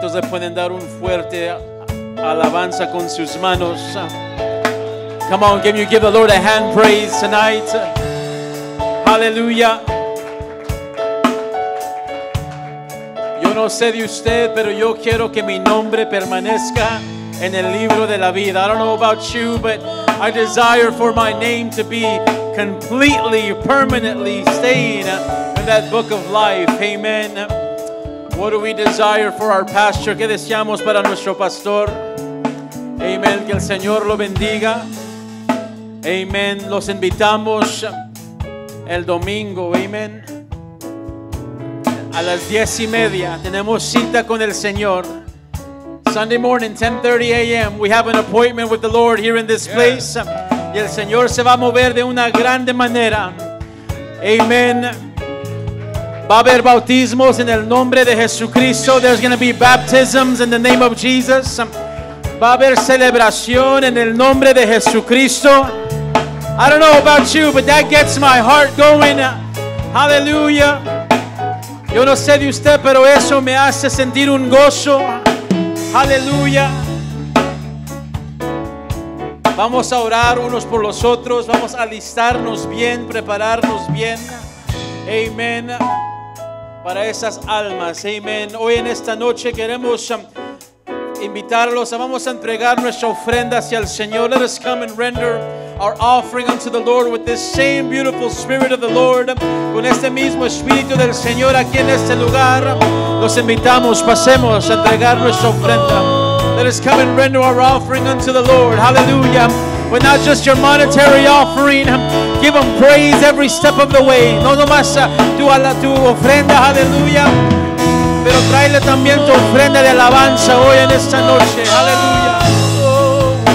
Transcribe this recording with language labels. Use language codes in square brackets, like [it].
[es] Pueden dar un fuerte alabanza con sus manos. [en] Come on, can you give the Lord a hand praise tonight? Hallelujah. [es] Yo no sé de usted, pero yo quiero que mi nombre permanezca en el libro de la vida. [en] I don't know about you, but I desire for my name to be completely, permanently staying in that book of life. Amen. What do we desire for our pastor? [es] ¿Qué deseamos para nuestro pastor? Amen. Que el Señor lo bendiga. Amen. Los invitamos el domingo. Amen. A las 10:30 tenemos cita con el Señor. [en] Sunday morning, 10:30 a.m. We have an appointment with the Lord here in this place. [es] Y el Señor se va a mover de una grande manera. Amen. Va a haber bautismos en el nombre de Jesucristo. [en] There's going to be baptisms in the name of Jesus. [es] Va a haber celebración en el nombre de Jesucristo. [en] I don't know about you, but that gets my heart going. Hallelujah. [es] Yo no sé de usted, pero eso me hace sentir un gozo. Hallelujah. Vamos a orar unos por los otros. Vamos a alistarnos bien, prepararnos bien. Amen. Para esas almas, amén. Hoy en esta noche queremos invitarlos. Vamos a entregar nuestra ofrenda hacia el Señor. [en] Let us come and render our offering unto the Lord with this same beautiful spirit of the Lord. [es] Con este mismo espíritu del Señor aquí en este lugar. Los invitamos, pasemos a entregar nuestra ofrenda. [en] Let us come and render our offering unto the Lord. Hallelujah. with not just your monetary offering. Give him praise every step of the way. [es] No nomás tu a la tu ofrenda, aleluya. Pero tráele también tu ofrenda de alabanza hoy en esta noche, aleluya.